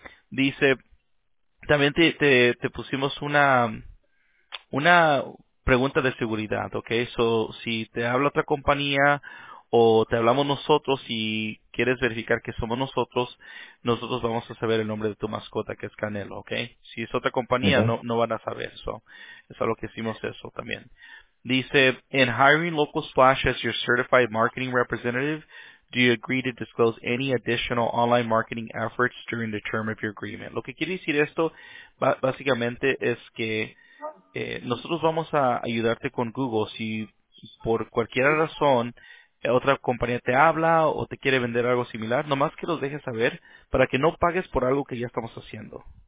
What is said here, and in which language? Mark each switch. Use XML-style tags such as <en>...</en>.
<es>Dice, también te pusimos una pregunta de seguridad, okay? So, si te habla otra compañía o te hablamos nosotros y quieres verificar que somos nosotros vamos a saber el nombre de tu mascota, que es Canelo, okay? Si es otra compañía, no van a saber eso. Es algo que hicimos eso también.</es> <en>Dice, "In hiring Local Splash as your certified marketing representative, do you agree to disclose any additional online marketing efforts during the term of your agreement?"</en> <es>Lo que quiere decir esto, básicamente, es que nosotros vamos a ayudarte con Google. Si por cualquier razón otra compañía te habla o te quiere vender algo similar, nomás que los dejes saber para que no pagues por algo que ya estamos haciendo.</es>